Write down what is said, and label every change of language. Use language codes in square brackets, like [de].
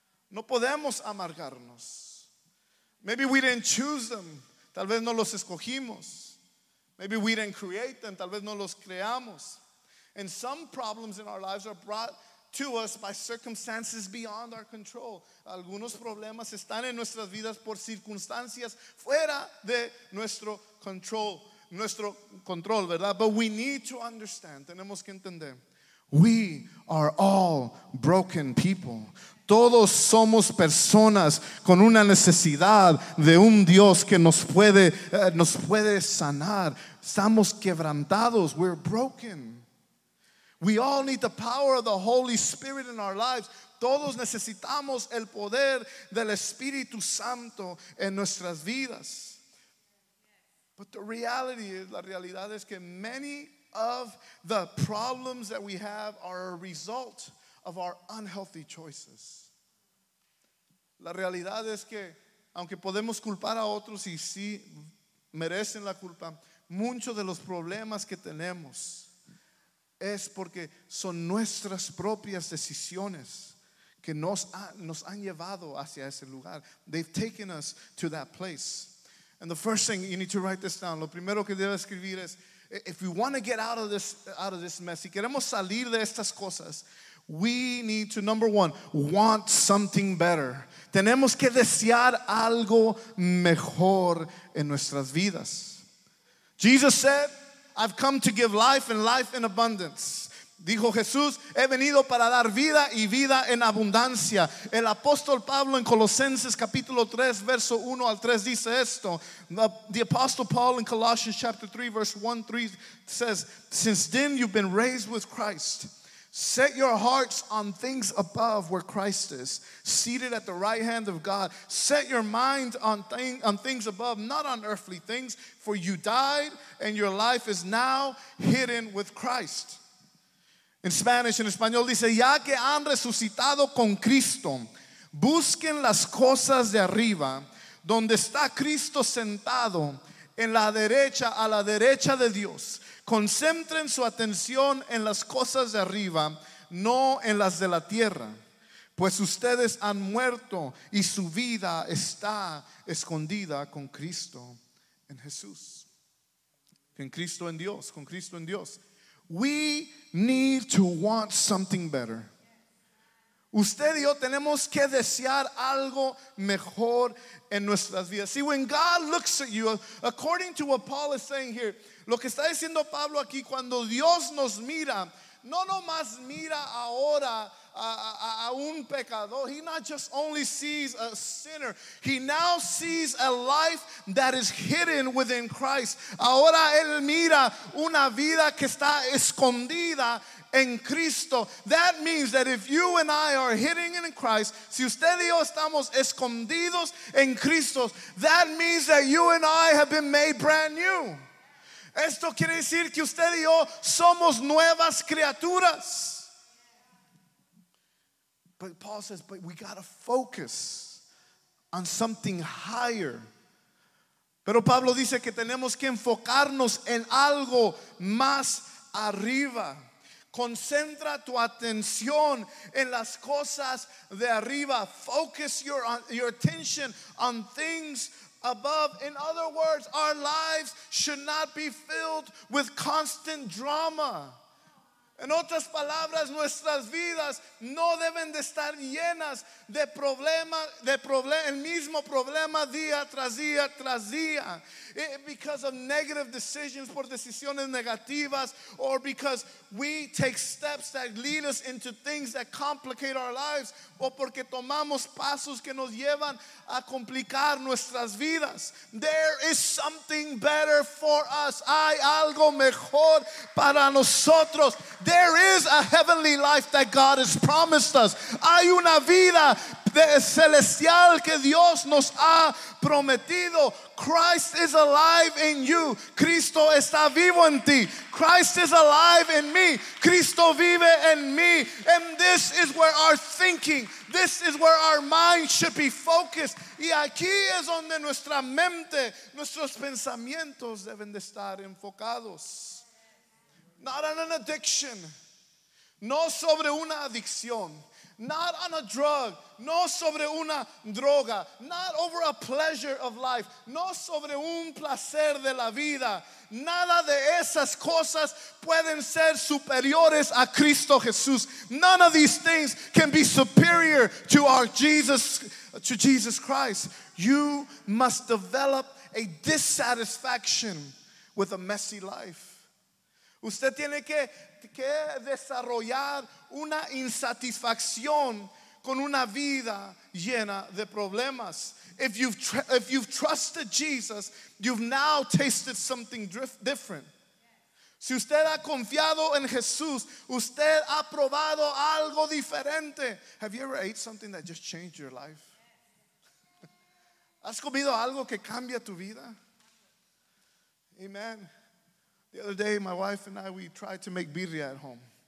[es] No podemos amargarnos. [en] Maybe we didn't choose them. [es] Tal vez no los escogimos. [en] Maybe we didn't create them. [es] Tal vez no los creamos. [en] And some problems in our lives are brought to us by circumstances beyond our control. [es] Algunos problemas están en nuestras vidas por circunstancias fuera de nuestro control. Nuestro control, ¿verdad? [en] But we need to understand. [es] Tenemos que entender. [en] We are all broken people. [es] Todos somos personas con una necesidad de un Dios que nos puede sanar. Estamos quebrantados. [en] We're broken. We all need the power of the Holy Spirit in our lives. [es] Todos necesitamos el poder del Espíritu Santo en nuestras vidas. [en] But the reality is, [es] la realidad es que [en] many of the problems that we have are a result of our unhealthy choices. [es] La realidad es que, aunque podemos culpar a otros y sí merecen la culpa, muchos de los problemas que tenemos es porque son nuestras propias decisiones que nos han llevado hacia ese lugar. [en] They've taken us to that place. And the first thing, you need to write this down. [es] Lo primero que debe escribir es, [en] if we want to get out of this mess, [es] si queremos salir de estas cosas, [en] we need to, number one, want something better. [es] Tenemos que desear algo mejor en nuestras vidas. [en] Jesus said, I've come to give life and life in abundance. [es] Dijo Jesús, he venido para dar vida y vida en abundancia. El apóstol Pablo en Colosenses capítulo 3, verso 1 al 3 dice esto. [en] The apostle Paul in Colossians chapter 3, verse 1-3 says, since then you've been raised with Christ. Set your hearts on things above where Christ is, seated at the right hand of God. Set your mind on things above, not on earthly things, for you died and your life is now hidden with Christ. In Spanish, in [es] español dice, ya que han resucitado con Cristo, busquen las cosas de arriba, donde está Cristo sentado en la derecha, a la derecha de Dios. Concentren su atención en las cosas de arriba, no en las de la tierra, pues ustedes han muerto y su vida está escondida con Cristo en Jesús. En Cristo en Dios, con Cristo en Dios. [en] We need to want something better. [es] Usted y yo tenemos que desear algo mejor en nuestras vidas. [en] See, when God looks at you, according to what Paul is saying here, [es] lo que está diciendo Pablo aquí, cuando Dios nos mira, no nomás mira ahora a un pecador. [en] He not just only sees a sinner. He now sees a life that is hidden within Christ. [es] Ahora él mira una vida que está escondida en Cristo. [en] That means that if you and I are hidden in Christ, [es] si usted y yo estamos escondidos en Cristo, [en] that means that you and I have been made brand new. [es] Esto quiere decir que usted y yo somos nuevas criaturas. [en] But Paul says, but we gotta focus on something higher. [es] Pero Pablo dice que tenemos que enfocarnos en algo más arriba. Concentra tu atención en las cosas de arriba. [en] Focus your attention on things above. In other words, our lives should not be filled with constant drama. [es] En otras palabras, nuestras vidas no deben de estar llenas de problemas, el mismo problema día tras día tras día. [en] Because of negative decisions, [es] por decisiones negativas, [en] or because we take steps that lead us into things that complicate our lives, [es] o porque tomamos pasos que nos llevan a complicar nuestras vidas. [en] There is something better for us. [es] Hay algo mejor para nosotros. [en] There is a heavenly life that God has promised us. [es] Hay una vida celestial que Dios nos ha prometido. [en] Christ is alive in you. [es] Cristo está vivo en ti. [en] Christ is alive in me. [es] Cristo vive en mí. [en] And this is where our thinking, this is where our mind should be focused. [es] Y aquí es donde nuestra mente, nuestros pensamientos deben de estar enfocados. [en] Not on an addiction. [es] No sobre una adicción. [en] Not on a drug. [es] No sobre una droga. [en] Not over a pleasure of life. [es] No sobre un placer de la vida. Nada de esas cosas pueden ser superiores a Cristo Jesús. [en] None of these things can be superior to our Jesus, to Jesus Christ. You must develop a dissatisfaction with a messy life. [es] Usted tiene que desarrollar una insatisfacción con una vida llena de problemas. [en] If you've trusted Jesus, you've now tasted something different. [es] Si usted ha confiado en Jesús, usted ha probado algo diferente. [en] Have you ever ate something that just changed your life? [es] ¿Has comido algo que cambia tu vida? [en] Amen. The other day, my wife and I, we tried to make birria at home.